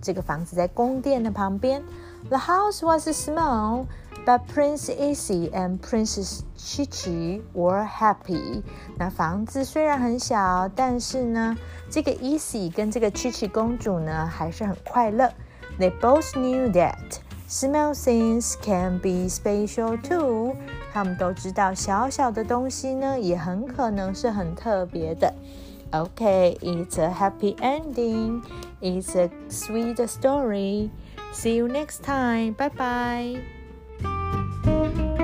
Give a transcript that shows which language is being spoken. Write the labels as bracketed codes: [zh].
[zh] 这个房子在宫殿的旁边。 [en] The house was small, but Prince Easy and Princess Chichi were happy. [zh] 那房子虽然很小，但是呢，这个 Easy 跟这个 Chichi 公主呢还是很快乐。 [en] They both knew that small things can be special too. [zh] 他们都知道小小的东西呢也很可能是很特别的。 [en] Okay, it's a happy ending. It's a sweet story. See you next time. Bye bye.